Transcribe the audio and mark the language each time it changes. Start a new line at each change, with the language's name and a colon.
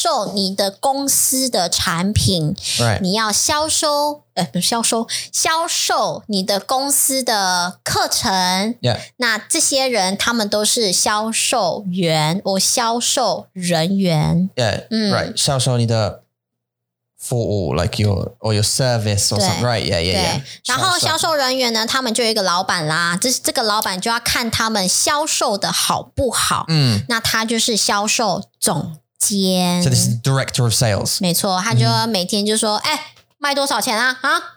Chinese: 你要销售你的公司的产品。
English: Right.
Chinese: 你要销售， 销售你的公司的课程。
English: Yeah.
Chinese: 那这些人， 他们都是销售员， or 销售人员。
English: Yeah. Right,
Chinese: 销售你的服务,
English: like your service or something, right? Yeah, yeah, yeah.
Chinese: 然后销售人员呢, 他们就有一个老板啦, 这个老板就要看他们销售的好不好, 那他就是销售总监。
English: So this is director of sales.
Chinese: 没错, 他就每天就说, 诶, 卖多少钱啊, 啊?